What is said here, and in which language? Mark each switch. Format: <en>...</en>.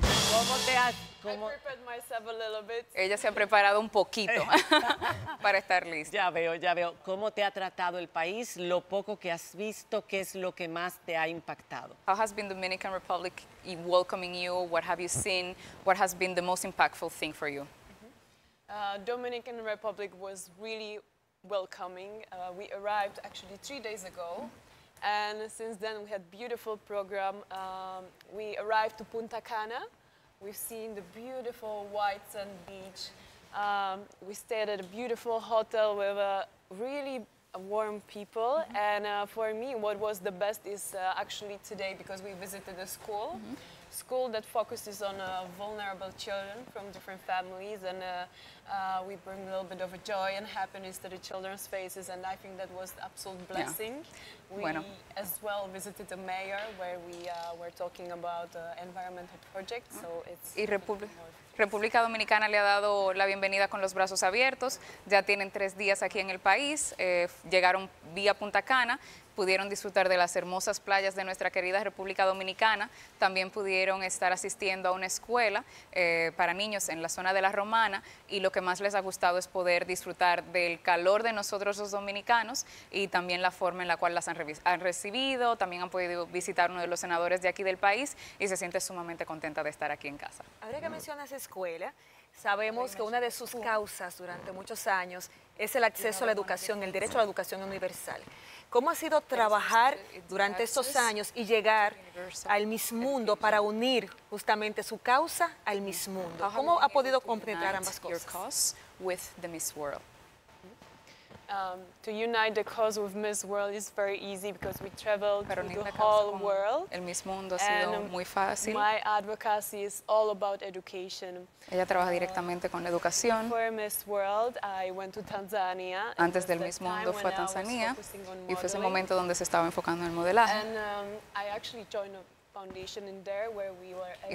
<es>¿Cómo te has...? ¿Cómo?</es> <en>I prepared myself a little bit.</en> <es>Ella se ha preparado un poquito para estar lista. Ya veo, ya veo. ¿Cómo te ha tratado el país? Lo poco que has visto, ¿qué es lo que más te ha impactado?</es> <en>How has been Dominican Republic welcoming you? What have you seen? What has been the most impactful thing for you? Dominican Republic was really welcoming. We arrived actually 3 days ago, and since then we had beautiful program. We arrived to Punta Cana. We've seen the beautiful white sand beach. We stayed at a beautiful hotel with really warm people. Mm-hmm. And for me, what was the best is actually today, because we visited a school. Mm-hmm. School that focuses on vulnerable children from different families, and we bring a little bit of a joy and happiness to the children's faces, and I think that was an absolute blessing. Yeah. We as well visited the mayor where we were talking about environmental projects. So it's</en> <es>República Dominicana le ha dado la bienvenida con los brazos abiertos. Ya tienen 3 días aquí en el país. Llegaron vía Punta Cana. Pudieron disfrutar de las hermosas playas de nuestra querida República Dominicana. También pudieron estar asistiendo a una escuela para niños en la zona de La Romana. Y lo que más les ha gustado es poder disfrutar del calor de nosotros los dominicanos y también la forma en la cual las han recibido. También han podido visitar uno de los senadores de aquí del país y se siente sumamente contenta de estar aquí en casa. Ahora que mencionas escuela, sabemos que una de sus causas durante muchos años es el acceso a la educación, el derecho a la educación universal. ¿Cómo ha sido trabajar durante estos años y llegar al Miss Mundo para unir justamente su causa al Miss Mundo? ¿Cómo ha podido compenetrar ambas cosas?</es> <en>With the Miss World. To unite the cause with Miss World is very easy because we traveled to the whole world.</en> <es>El Miss Mundo ha sido muy fácil.</es> <en>My advocacy is all about education.</en> <es>Ella trabaja directamente con la educación.</es> <en>Before Miss World, I went to Tanzania.</en> <es>Antes del Miss Mundo fue a Tanzania y fue ese momento donde se estaba enfocando en el modelaje.</es> <en>And I actually joined a foundation in there where we were able</en>